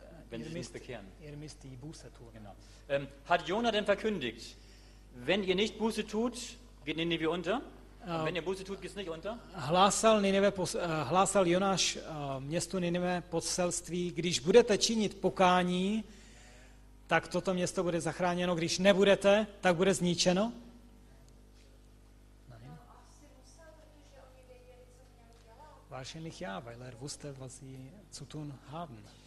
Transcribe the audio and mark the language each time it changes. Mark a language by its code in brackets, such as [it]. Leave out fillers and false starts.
[de] Wenn sie nicht bekehren. Ihr müsst die Buße tun. Genau. Hat Jona denn verkündigt, wenn ihr nicht Buße tut, geht Ninive unter? Wenn ihr Buße tut, geht's nicht unter? [cs] Hlásal Jonáš městu Ninive poselství, když budete činit pokání, tak toto město bude zachráněno, když nebudete, tak bude zničeno? [de] Nein. Wahrscheinlich ja, weil er wusste, was sie zu tun haben.